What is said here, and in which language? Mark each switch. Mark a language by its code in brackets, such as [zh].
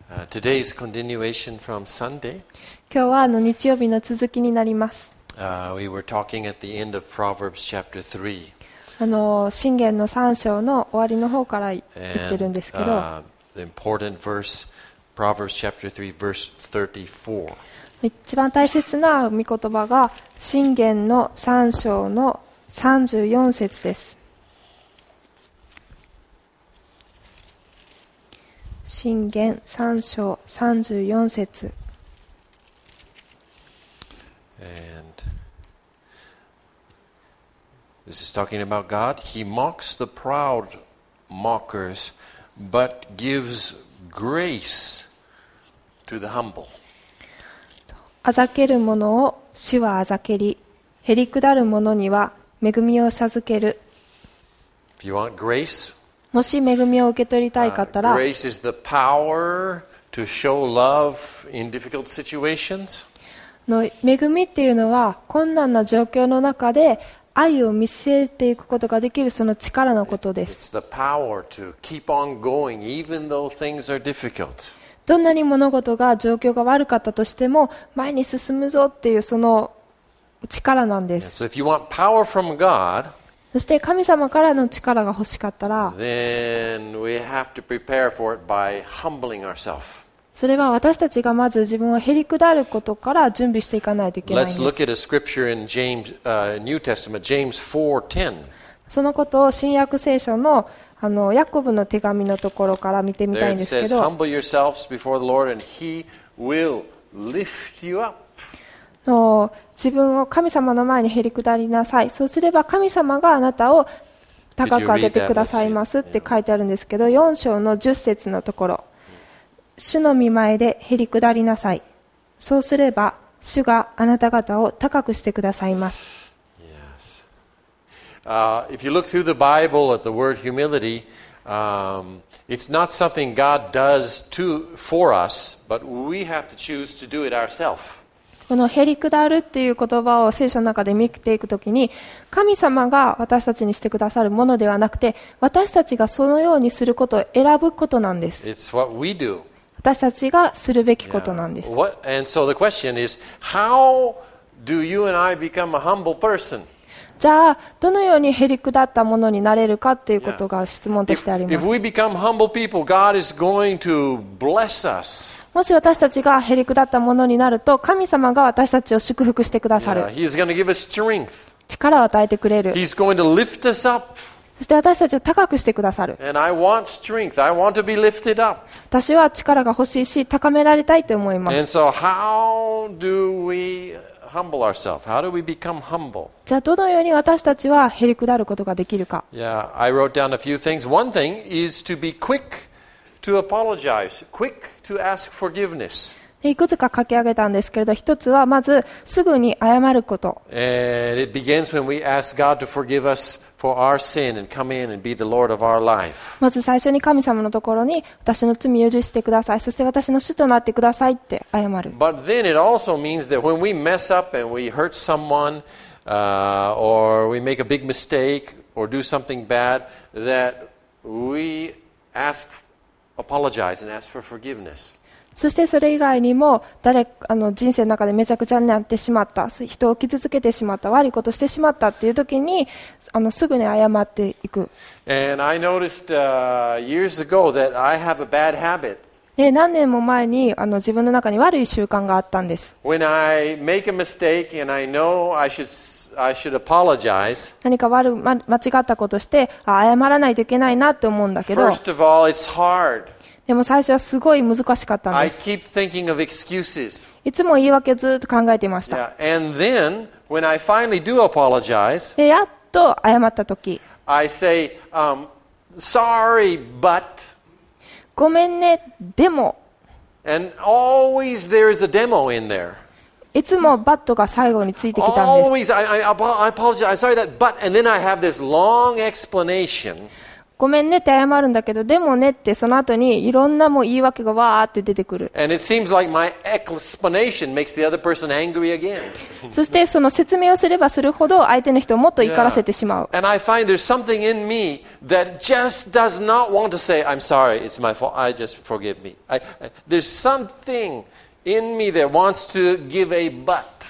[en] Today's continuation from Sunday. [ja] 今日はあの日曜日の続きになります。 [en] We were talking at the end of Proverbs chapter 3. [ja] あの箴言の3章の終わりの方から言ってるんですけど。 [en] The important verse, Proverbs chapter 3, verse 34. [ja] 一番大切な御言葉が箴言の3章の34節です。箴言三章三十四節。 [en] And this is talking about God. He mocks the proud mockers, but gives grace to the humble. [ja] あざける者を主はあざけり、へりくだる者には恵みを授ける。 [en] If you want grace. [ja] もし恵みを受け取りたい方ら、 [en] grace is the power to show love in difficult situations. [ja] の恵みっていうのは困難な状況の中で愛を見せていくことができるその力のことです。 [en] It's the power to keep on going even though things are difficult. [ja] どんなに物事が状況が悪かったとしても前に進むぞっていうその力なんです。 [en] So if you want power from God. [ja] そして神様からの力が欲しかったら、 [en] Then we have to prepare for it by humbling ourselves. [ja] それは私たちがまず自分をへりくだることから準備していかないといけないんです。 [en] Let's look at a scripture in James, New Testament, James 4:10. [ja] そのことを新約聖書の、あのヤコブの手紙のところから見てみたいんですけど、 [en] There it says, humble yourselves before the Lord and he will lift you up. [ja] 自分を神様の前にへりくだりなさい。そうすれば神様があなたを高く上げてくださいますって書いてあるんですけど、4章の10節のところ、主の御前でへりくだりなさい。そうすれば主があなた方を高くしてくださいます。 [en] Yes. If you look through the Bible at the word humility, it's not something God does to for us, but we have to choose to do it ourselves. [ja] このへりくだるっていう言葉を聖書の中で見ていくときに神様が私たちにしてくださるものではなくて私たちがそのようにすることを選ぶことなんです。 [en] It's what we do. [ja] 私たちがするべきことなんです。 [en] And so the question is, how do you and I become a humble person? [ja] じゃあどのようにへりくだったものになれるかっていうことが質問としてあります。 [en] If we become humble people, God is going to bless us. [ja] もし私たちがへりくだったものになると神様が私たちを祝福してくださる。 [en] He's going to give us strength. [ja] 力を与えてくれる。 [en] He's going to lift us up. [ja] そして私たちを高くしてくださる。 [en] And I want strength. I want to be lifted up. [ja] 私は力が欲しいし高められたいと思います。 [en] And so how do we humble ourselves? How do we become humble? [ja] じゃあどのように私たちはへりくだることができるか。 [en] Yeah, I wrote down a few things. One thing is to be quickto apologize, quick to ask forgiveness. [ja] いくつか書き上げたんですけれど、一つはまずすぐに謝ること。 [en] And it begins when we ask God to forgive us for our sin and come in and be the Lord of our life. [ja] まず最初に神様のところに私の罪を許してください、そして私の主となってくださいって謝る。 [en] But then it also means that when we mess up and we hurt someone, or we make a big mistake or do something bad, that we askapologize and ask for forgiveness. [ja] そしてそれ以外にも誰かあの人生の中でめちゃくちゃになってしまった、人を傷つけてしまった、悪いことをしてしまったっていう時にあのすぐに謝っていく。 [en] And I noticed, years ago that I have a bad habit. [ja] 何年も前にあの自分の中に悪い習慣があったんです。 [en] When I make a mistake and I know I should apologize. [ja] 何か間違ったことして謝らないといけないなって思うんだけど。 [en] First of all, it's hard. [ja] でも最初はすごい難しかったんです。 [en] I keep thinking of excuses. [ja] いつも言い訳をずっと考えていました。 [en] Yeah. And then, when I finally do apologize, [ja] でやっと謝った時。 [en] I say, sorry, but. [ja] ごめんね、でも。 [en] And always there is a demo in there. [ja] いつもバットが最後についてきたんです。 [en] Always, I apologize. I'm sorry that, but, and then I have this long explanation. [ja] ごめんねって謝るんだけど、でもねってその後にいろんなもう言い訳がわーって出てくる。 [en] And it seems like my explanation makes the other person angry again. [ja] そしてその説明をすればするほど相手の人をもっと怒らせてしまう。 [en] And I find there's something in me that just does not want to say, I'm sorry, it's my fault, I just forgive me. There's something in me that wants to give a but.